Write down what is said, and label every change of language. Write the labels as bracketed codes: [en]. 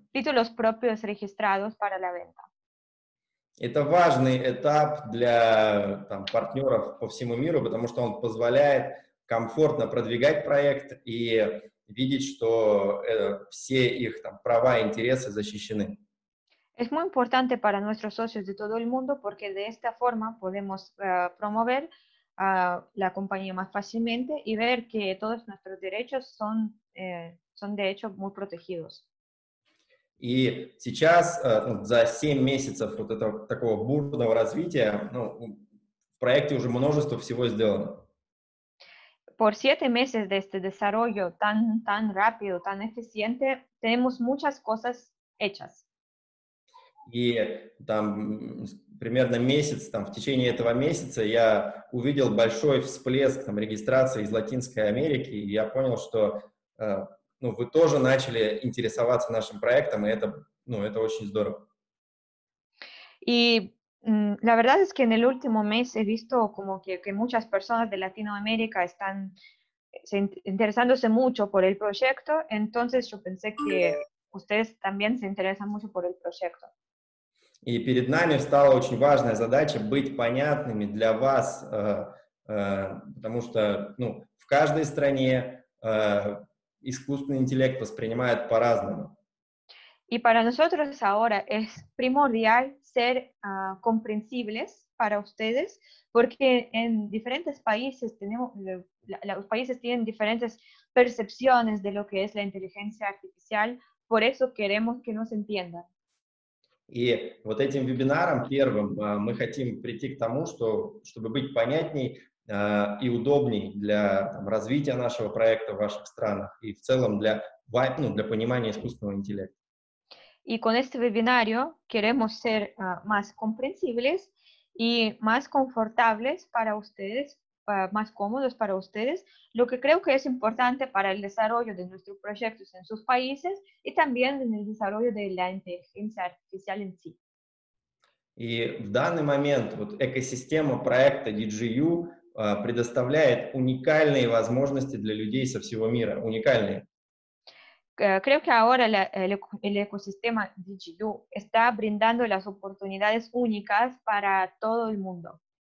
[es] Títulos propios registrados para la venta. [ru] Это важный этап для там, партнеров по всему миру, потому что он позволяет комфортно продвигать проект и видеть, что все их там, права и интересы защищены. [es] Es muy importante para nuestros socios de todo el mundo, porque de esta forma podemos promover la compañía más fácilmente y ver que todos nuestros derechos son, son de hecho muy protegidos. [ru] И сейчас, ну, за 7 месяцев вот этого такого бурного развития, ну, в проекте уже множество всего сделано. [es] Por 7 meses de este desarrollo tan rápido, tan eficiente, tenemos muchas cosas hechas. [ru] И там примерно месяц, там, в течение этого месяца я увидел большой всплеск там, регистрации из Латинской Америки, и я понял, что... Ну, вы тоже начали интересоваться нашим проектом, и это, ну, это очень здорово. И [es] La verdad es que en el último mes he visto como que muchas personas de Latinoamérica están interesándose mucho por el proyecto, entonces yo pensé que ustedes también se interesan mucho por el proyecto. [ru] И перед нами встала очень важная задача быть понятными для вас, потому что ну, в каждой стране искусственный интеллект воспринимают по-разному. [es] Y para nosotros ahora es primordial ser comprensibles para ustedes, porque en diferentes países tenemos, los países tienen diferentes percepciones de lo que es la inteligencia artificial, por eso queremos que nos entiendan. [ru] И вот этим вебинаром первым мы хотим прийти к тому, что, чтобы быть понятней и удобней для там, развития нашего проекта в ваших странах и в целом для, ну, для понимания искусственного интеллекта. [es] Y con este webinario queremos ser más comprensibles y más confortables para ustedes, más cómodos para ustedes, lo que creo que es importante para el desarrollo de nuestros proyectos en sus países y también en el desarrollo de la inteligencia artificial en sí. [ru] Y в данный момент вот экосистема проекта DGU предоставляет уникальные возможности для людей со всего мира, уникальные. [es] Creo que ahora el ecosistema DGU está brindando las oportunidades únicas para todo el mundo.